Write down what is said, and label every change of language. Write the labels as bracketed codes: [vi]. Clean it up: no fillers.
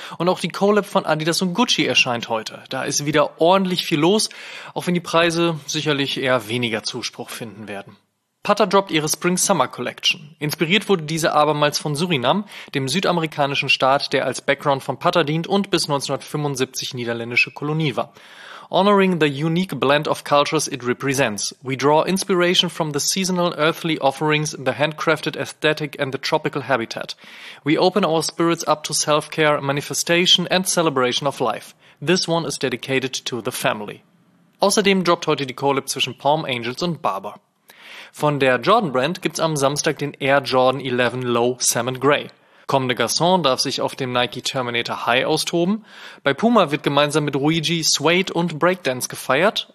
[de] Und auch die Collab von Adidas und Gucci erscheint heute. Da ist wieder ordentlich viel los, auch wenn die Preise sicherlich eher weniger Zuspruch finden werden. Patta droppt ihre Spring-Summer-Collection. Inspiriert wurde diese abermals von Suriname, dem südamerikanischen Staat, der als Background von Patta dient und bis 1975 niederländische Kolonie war. [en] Honoring the unique blend of cultures it represents, we draw inspiration from the seasonal earthly offerings, the handcrafted aesthetic and the tropical habitat. We open our spirits up to self-care, manifestation and celebration of life. This one is dedicated to the family. [de] Außerdem droppt heute die Collab zwischen Palm Angels und Barber. Von der Jordan Brand gibt's am Samstag den Air Jordan 11 Low Salmon Grey. Comme des Garçons darf sich auf dem Nike Terminator High austoben. Bei Puma wird gemeinsam mit Luigi Suede und Breakdance gefeiert.